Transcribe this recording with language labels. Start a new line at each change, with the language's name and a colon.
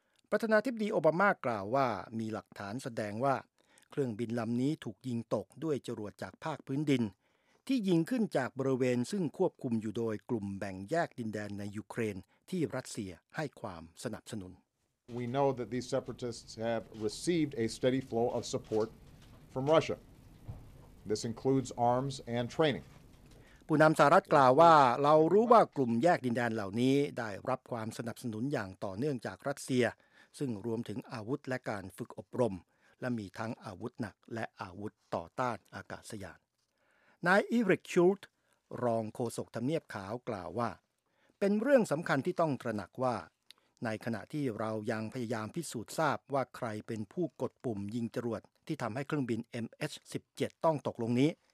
Thai: ประธานาธิบดีโอบามากล่าวว่ามีหลักฐานแสดงว่าเครื่องบินลำนี้ถูกยิงตกด้วยจรวดจากภาคพื้นดินที่ยิงขึ้นจากบริเวณซึ่งควบคุมอยู่โดยกลุ่มแบ่งแยกดินแดนในยูเครนที่รัสเซียให้ความสนับสนุน
English: We know that these separatists have received a steady flow of support from Russia. This includes arms and training.
Thai: ผู้นำสหรัฐกล่าวว่าเรารู้ว่ากลุ่มแยกดินแดนเหล่านี้ได้รับความสนับสนุนอย่างต่อเนื่องจากรัสเซียซึ่งรวมถึงอาวุธและการฝึกอบรมและมีทั้งอาวุธหนักและอาวุธต่อต้านอากาศยาน นายอีริกชูลต์รองโฆษกทำเนียบขาวกล่าวว่าเป็นเรื่องสำคัญที่ต้องตระหนักว่าในขณะที่เรายังพยายามพิสูจน์ทราบว่าใครเป็นผู้กดปุ่มยิงจรวดที่ทำให้เครื่องบิน MH17 ต้องตกลงนี้